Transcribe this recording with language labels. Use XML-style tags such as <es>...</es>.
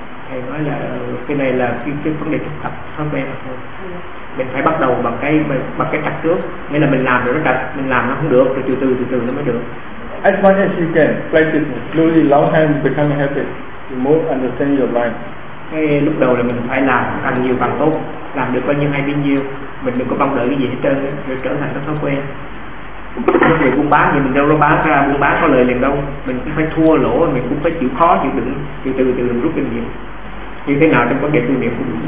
<vi>Thầy nói là cái này là cái vấn đề thực tập thói quen mà thôi. Mình phải bắt đầu bằng cái tập trước. Nghĩa là mình làm rồi nó tập, mình làm nó không được rồi từ từ nó mới được.</vi> <en>As much as you can, practice slowly, long time becoming habit, you more understand your mind.</en> <vi>Cái lúc đầu là mình phải làm càng nhiều càng tốt, làm được bao nhiêu hay bao nhiêu, mình đừng có mong đợi cái gì hết trơn, rồi trở thành cái thói quen. Cái người buôn bán thì mình đâu có bán ra, buôn bán có lời liền đâu. Mình cũng phải thua lỗ, mình cũng phải chịu khó, chịu đựng, chịu từ từ rút kinh nghiệm. Như thế nào trong vấn đề tư niệm cũng được.</vi>